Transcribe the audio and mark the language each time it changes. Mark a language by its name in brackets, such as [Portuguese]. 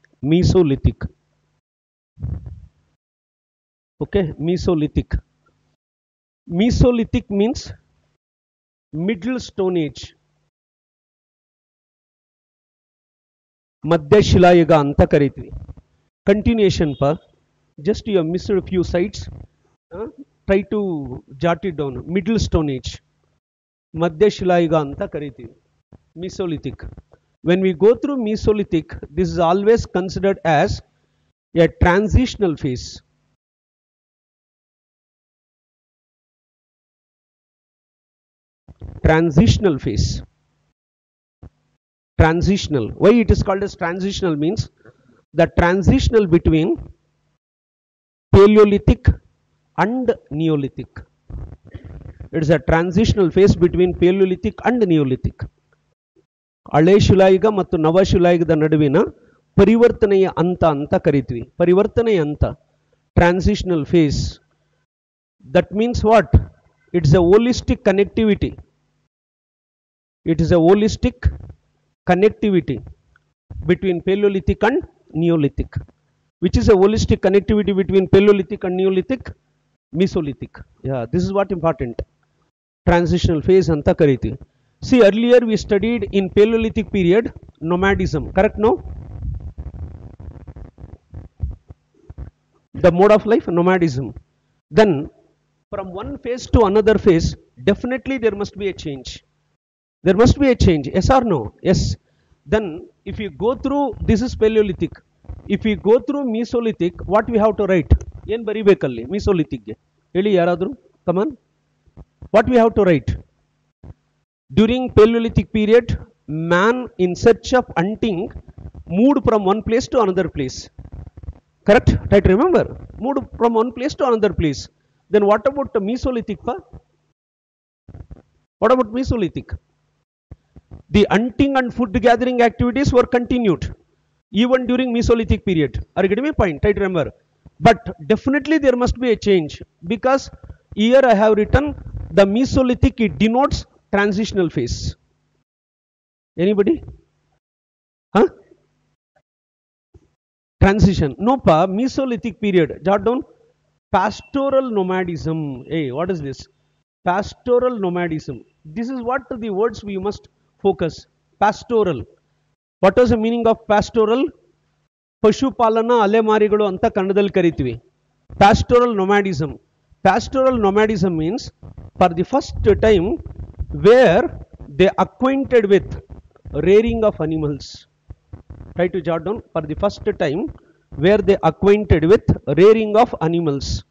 [English] Mesolithic, okay, Mesolithic. Mesolithic means middle stone age, [Kannada] ಮಧ್ಯಶಿಲಾಯುಗ ಅಂತ ಕರಿತೀವಿ. [English] Continuation ಪ, just you have missed a few sites, try to jot it down. Middle Stone Age, [Kannada] madhya shilayuga anta karitivi, [English] Mesolithic. When we go through Mesolithic, this is always considered as a transitional phase. Transitional phase, transitional. Why it is called as transitional means the transitional between Paleolithic and Neolithic. It is a transitional phase between Paleolithic and Neolithic. [Kannada] ಹಳೆ ಶಿಲಾಯುಗ ಮತ್ತು ನವ ಶಿಲಾಯುಗದ ನಡುವಿನ ಪರಿವರ್ತನೆಯ ಅಂತ ಅಂತ ಕರಿತೀವಿ. ಪರಿವರ್ತನೆಯ ಅಂತ, [English] Transitional phase. That means what? It's a holistic connectivity. It's a holistic connectivity between Paleolithic and Neolithic. Which is a holistic connectivity between Paleolithic and Neolithic? Mesolithic. Yeah, this is what important. Transitional phase [Kannada] anta kariti. [English] See, earlier we studied in Paleolithic period nomadism. Correct, no? The mode of life, nomadism. Then, from one phase to another phase, definitely there must be a change. There must be a change. Yes or no? Yes. Then, if you go through, this is Paleolithic. If we go through Mesolithic, what we have to write? [Kannada] ಏನು ಬರಿಬೇಕಲ್ಲಿ ಮೀಸೋಲಿಥಿಕ್ಗೆ ಹೇಳಿ ಯಾರಾದರೂ, [English] Come on. What we have to write? During Paleolithic period, man in search of hunting moved from one place to another place. Correct, right, remember, moved from one place to another place. Then what about Mesolithic? What about Mesolithic? The hunting and food gathering activities were continued even during Mesolithic period. Are you getting me point? Right, remember. But definitely there must be a change, because here I have written the Mesolithic, it denotes transitional phase. Anybody? Huh? Transition. No, pa, Mesolithic period. Jot down. Pastoral nomadism. Hey, what is this? Pastoral nomadism. This is what the words we must focus. Pastoral. What was the meaning of pastoral? [Kannada] ಪಶುಪಾಲನಾ ಅಲೆಮಾರಿಗಳು ಅಂತ ಕನ್ನಡದಲ್ಲಿ ಕರಿತೀವಿ. ಪ್ಯಾಸ್ಟೋರಲ್ ನೊಮ್ಯಾಡಿಸಮ್. [English] Pastoral nomadism means for the first time were they acquainted with rearing of animals. Try to jot down. For the first time were they acquainted with rearing of animals.